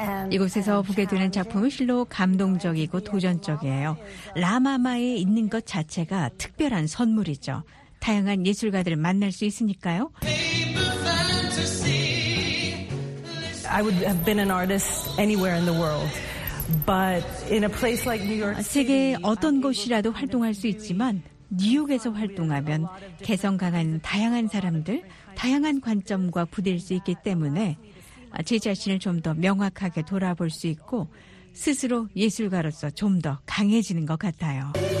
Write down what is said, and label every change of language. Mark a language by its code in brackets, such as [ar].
[ko] 이곳에서 보게 되는 작품은 실로 감동적이고 도전적이에요. 라마마에 있는 것 자체가 특별한 선물이죠. 다양한 예술가들을 만날 수 있으니까요. [en] I would have been an artist anywhere in the world. But in a place like New York City, [ko] 세계 어떤 곳이라도 활동할 수 있지만 뉴욕에서 활동하면 개성 강한 다양한 사람들, 다양한 관점과 부딜 수 있기 때문에 제 자신을 좀 더 명확하게 돌아볼 수 있고 스스로 예술가로서 좀 더 강해지는 것 같아요.